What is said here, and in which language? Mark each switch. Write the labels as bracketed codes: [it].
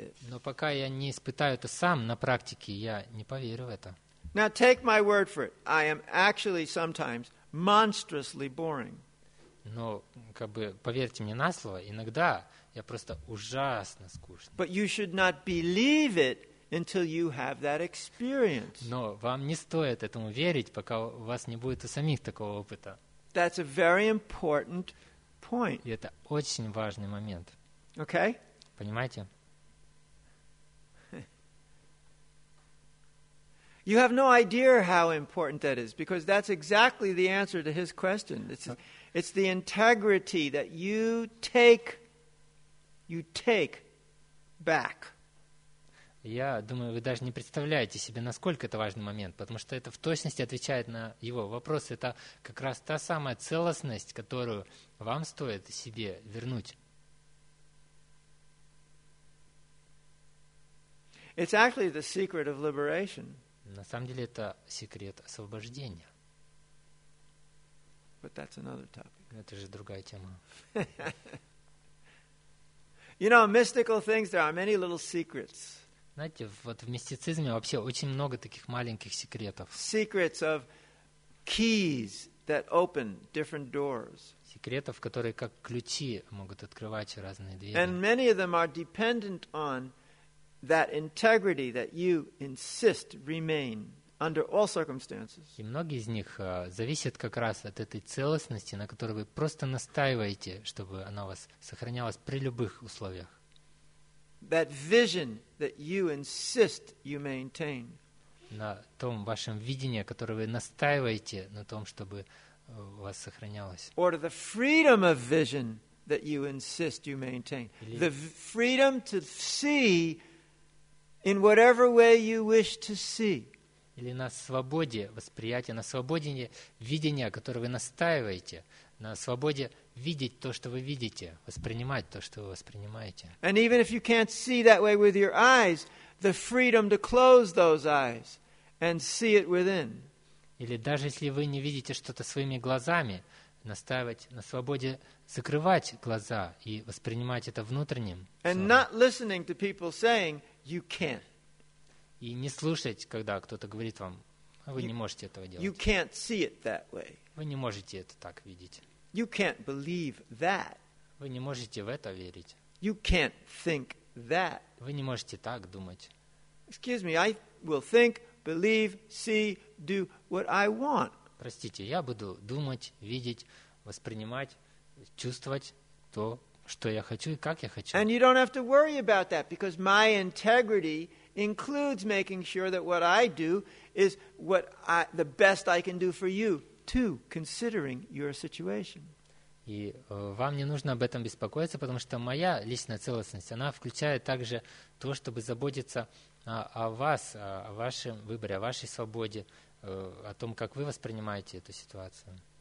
[ru] Но пока я не испытаю это сам на практике, я не поверю в это. [en] Now take my word for it. I am actually sometimes monstrously boring. [ru] Но поверьте мне на слово, иногда я просто ужасно скучный. [en] But you should not believe it until you have that experience. [ru] Но вам не стоит этому верить, пока у вас не будет у самих такого опыта. [en] That's a very important point. [ru] И это очень важный момент. [en] Okay? [ru] Понимаете? [en] You have no idea how important that is, because that's exactly the answer to his question. It's the integrity that you take back. [ru] Я думаю, вы даже не представляете себе, насколько это важный момент, потому что это в точности отвечает на его вопрос. Это как раз та самая целостность, которую вам стоит себе вернуть. [en] It's actually the secret of liberation. [ru] На самом деле это секрет освобождения. [en] But that's another topic. [ru] Это же другая тема. [en] You know, mystical things, there are many little secrets. [ru] Знаете, вот в мистицизме вообще очень много таких маленьких секретов. [en] Secrets of keys that open different doors. [ru] Секретов, которые как ключи могут открывать разные двери. [en] And many of them are dependent on that integrity that you insist remain under all circumstances. [ru] И многие из них зависят как раз от этой целостности, на которой вы просто настаиваете, чтобы она у вас сохранялась при любых условиях. [en] That vision that you insist you maintain. [ru] На том вашем видении, которое вы настаиваете на том, чтобы у вас сохранялось. [en] Or the freedom of vision that you insist you maintain. The freedom to see in whatever way you wish to see. [ru] Или на свободе восприятия, на свободе видения, которое вы настаиваете, на свободе видеть то, что вы видите, воспринимать то, что вы воспринимаете. [en] And even if you can't see that way with your eyes, the freedom to close those eyes and see it within. [ru] Или даже если вы не видите что-то своими глазами, настаивать на свободе закрывать глаза и воспринимать это внутренним. [en] And not listening to people saying you can't. [ru] И не слушать, когда кто-то говорит вам, вы не можете этого делать. [en] You can't see it that way. [ru] Вы не можете это так видеть. [en] You can't believe that. [ru] Вы не можете в это верить. [en] You can't think that. [ru] Вы не можете так думать. [en] Excuse me, I will think, believe, see, do what I want. [ru] Простите, я буду думать, видеть, воспринимать, чувствовать то, что я хочу и как я хочу. [en] And you don't have to worry about that because my integrity includes making sure that what I do is what I, the best I can do for you, too, considering your situation. [ru] И вам не нужно об этом беспокоиться, потому что моя личная целостность, она включает также то, чтобы заботиться о вас, о вашем выборе, о вашей свободе, о том, как вы воспринимаете эту ситуацию.